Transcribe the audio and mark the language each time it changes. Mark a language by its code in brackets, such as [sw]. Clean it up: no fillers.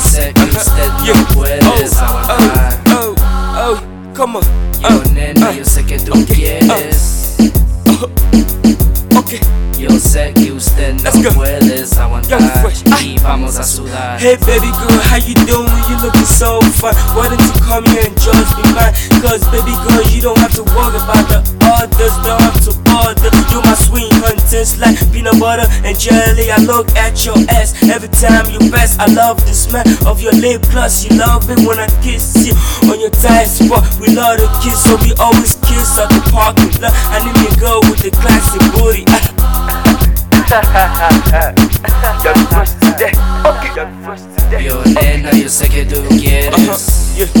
[es] Sé que usted no puedes aguantar. [en] Come on. [es] Yo, nena, yo sé que tú quieres. Yo sé que usted no puedes aguantar y vamos a sudar. [en] Hey baby girl, how you doing? You looking so fine. Why don't you come here and judge me mine? Cause baby girl, you don't have to worry about the others. Don't have to bother. You my sweetheart, just like peanut butter and jelly. I look at your ass every time you pass. I love the smell of your lip gloss. You love it when I kiss you on your tight spot. We love to kiss, so we always kiss at the parking lot. I need a girl with the classic booty. [es] Yo, nena, yo sé que tú quieres.